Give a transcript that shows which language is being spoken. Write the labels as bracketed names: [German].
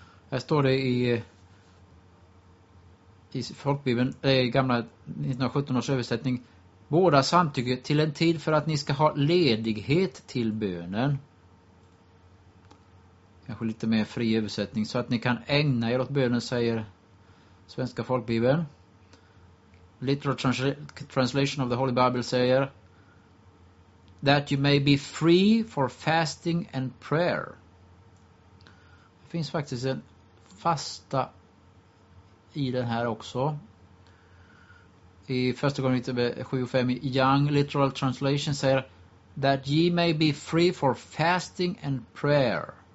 [Swedish] Här står det i folkbibeln, gamla 1917 års översättning. Båda samtycker till en tid för att ni ska ha ledighet till bönen. Kanske lite mer fri översättning. Så att ni kan ägna er åt bönen, säger Svenska folkbibeln. [English] Literal translation of the Holy Bible säger that you may be free for fasting and prayer. [Swedish] Det finns faktiskt en fasta i den här också. I första gången 7:5 i [English] Young literal translation säger that ye may be free for fasting and prayer.